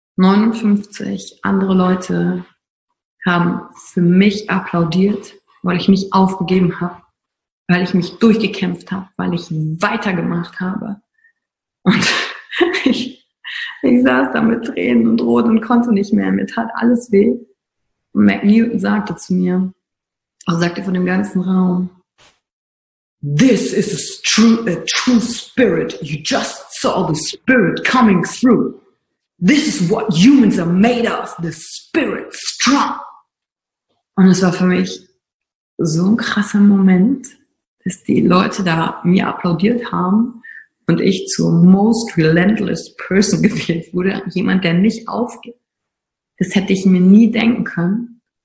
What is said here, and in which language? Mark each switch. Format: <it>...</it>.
<de>59 andere Leute haben für mich applaudiert, weil ich nicht aufgegeben habe, weil ich mich durchgekämpft habe, weil ich weitergemacht habe. Und ich saß da mit Tränen und Rot und konnte nicht mehr. Mir tat alles weh. Und Mac Newton sagte zu mir, auch sagte von dem ganzen Raum,</de> <en>This is a true spirit. You just saw the spirit coming through. This is what humans are made of. The spirit strong.</en> <de>Und es war für mich so ein krasser Moment, dass die Leute da mir applaudiert haben und ich zur</de> <en>most relentless person</en> <de>gewählt wurde. Jemand, der nicht aufgibt. Das hätte ich mir nie denken können.</de>